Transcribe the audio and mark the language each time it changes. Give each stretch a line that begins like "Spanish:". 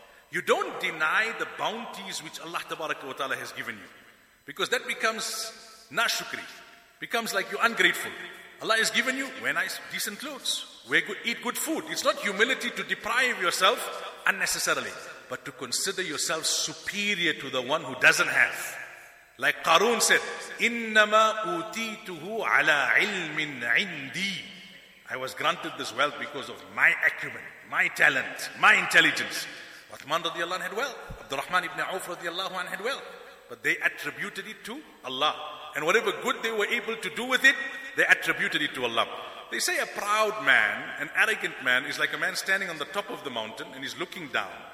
English: You don't deny the bounties which Allah tabaraka wa ta'ala has given you. Because that becomes nashukri. Becomes like you're ungrateful. Allah has given you, wear nice, decent clothes. Eat good food. It's not humility to deprive yourself unnecessarily. But to consider yourself superior to the one who doesn't have. Like Qarun said,
Arabic: إِنَّمَا أُوتِيتُهُ عَلَىٰ عِلْمٍ عِنْدِي.
English: I was granted this wealth because of my acumen, my talent, my intelligence. Uthman radiallahu anhu had wealth. Abdurrahman ibn Auf radiallahu anhu had wealth. But they attributed it to Allah. And whatever good they were able to do with it, they attributed it to Allah. They say a proud man, an arrogant man, is like a man standing on the top of the mountain and he's looking down.